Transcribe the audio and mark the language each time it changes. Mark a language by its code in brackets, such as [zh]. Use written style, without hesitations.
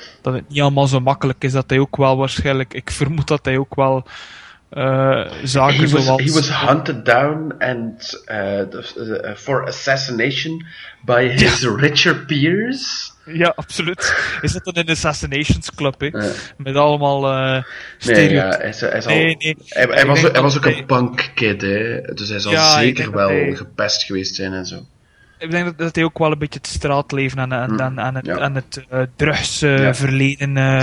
[nl] Dat het niet allemaal zo makkelijk is. Dat hij ook wel waarschijnlijk... Ik vermoed dat hij ook wel zaken zoals... [en] He was hunted down and for assassination by his richer peers. [nl] Ja, absoluut. Is dat dan een assassinations club, hey? Met allemaal Hij was ook een punk kid, hey? Dus hij zal zeker wel gepest geweest zijn en zo. Ik denk dat hij ook wel een beetje het straatleven en het drugsverleden